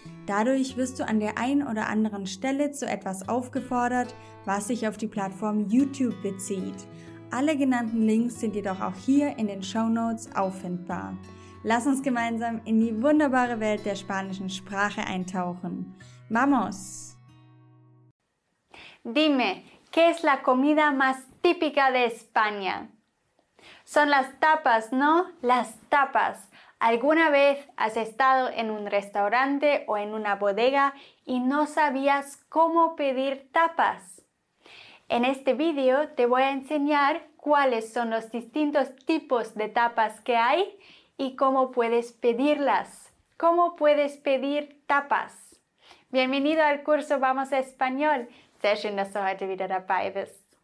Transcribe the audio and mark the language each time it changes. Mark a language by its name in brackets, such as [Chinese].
[German] Dadurch wirst du an der einen oder anderen Stelle zu etwas aufgefordert, was sich auf die Plattform YouTube bezieht. Alle genannten Links sind jedoch auch hier in den Shownotes auffindbar. Lass uns gemeinsam in die wunderbare Welt der spanischen Sprache eintauchen. [Spanish] ¡Vamos! Dime, ¿qué es la comida más típica de España? Son las tapas, ¿no? Las tapas. ¿Alguna vez has estado en un restaurante o en una bodega y no sabías cómo pedir tapas? En este vídeo te voy a enseñar cuáles son los distintos tipos de tapas que hay y cómo puedes pedirlas. ¿Cómo puedes pedir tapas? Bienvenido al curso Vamos a Español. [German] Sehr schön, dass du heute wieder dabei bist.